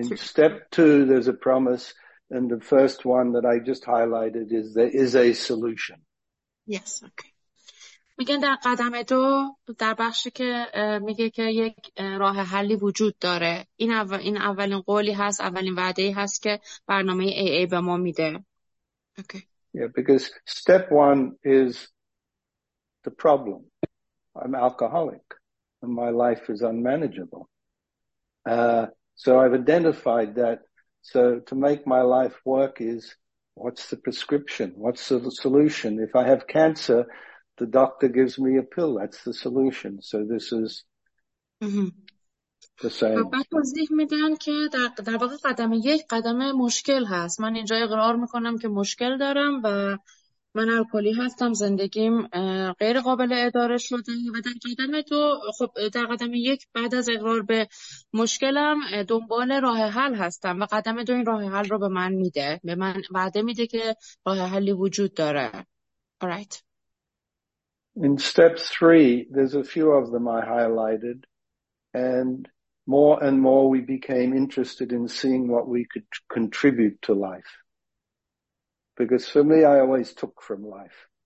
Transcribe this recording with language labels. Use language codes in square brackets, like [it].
[en] Step two, there's a promise, and the first one that I just highlighted is there is a solution. Yes, okay. [fa] میگن در قدم دو در بخشی که میگه که یک راه حلی وجود داره. این اولین قولی هست، اولین وعده ای هست که برنامه AA به ما میده. Okay. [en] Yeah, because step one is the problem. I'm alcoholic and my life is unmanageable. So I've identified that. So to make my life work is what's the prescription? What's the solution? If I have cancer, the doctor gives me a pill. That's the solution. So this is the same. [fa] بعد توضیح میدن که در واقع قدم یک قدم مشکل هست. من اینجا اقرار میکنم که مشکل دارم و من الکلی هستم. زندگیم غیر قابل اداره شده. و در قدم دو خب در قدم یک بعد از اقرار به مشکلم دنبال راه حل هستم. و قدم دو این راه حل رو به من میده. به من وعده میده که راه حلی وجود داره. Alright. [en] In step three, there's a few of them I highlighted, and more we became interested in seeing what we could contribute to life. Because for me, I always took from life.